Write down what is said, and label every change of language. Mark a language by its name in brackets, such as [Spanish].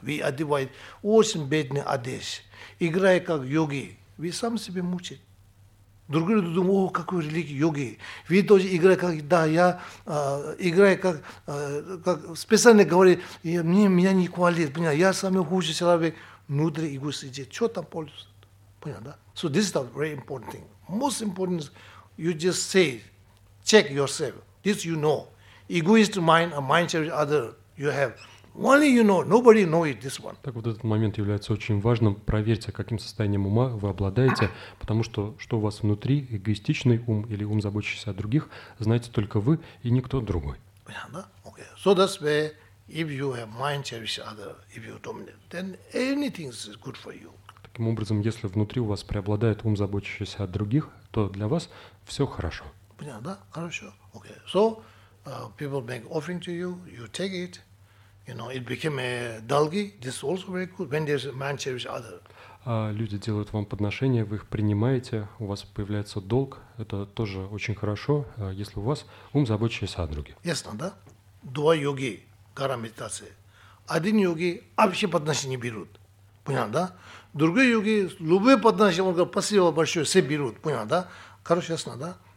[Russian] Вы одеваете очень бедный одежь, играя как йоги, вы сам себе мучаете. Другие люди думают, о, какой великий йоги. Вы тоже играете как, да, я играю как специально говорит, меня не хвалит, понятно, я самый худший человек, внутри эгоист идет, что там пользуется, понятно, да? [English] So this is the very important thing. Most important is you just say, check yourself. This you know, egoist mind, a mind of other you have. Only you know, nobody know it, this one. [Russian] Так вот этот момент является очень важным. Проверьте, каким состоянием ума вы обладаете, потому что что у вас внутри, эгоистичный ум или ум, заботящийся о других, знаете только вы и никто другой. Понятно, да? [English] Okay. So that's where, if you have mind of other, if you dominate, then anything is good for you. [Russian] Таким образом, если внутри у вас преобладает ум, заботящийся о других, то для вас все хорошо. Понятно, да? Хорошо. [English] Okay. So, people make offering to you, you take it, you know, it became a долги, this also very good, when there's a man cherish other. [Russian] Люди делают вам подношения, вы их принимаете, у вас появляется долг, это тоже очень хорошо, если у вас ум заботящийся о других. Ясно, да? Два йоги, гора медитации. Один йоги вообще подношения не берут, понятно, да? Другие йоги, любые подношения, он говорит, спасибо большое, все берут, понятно, да? Короче, ясно, да?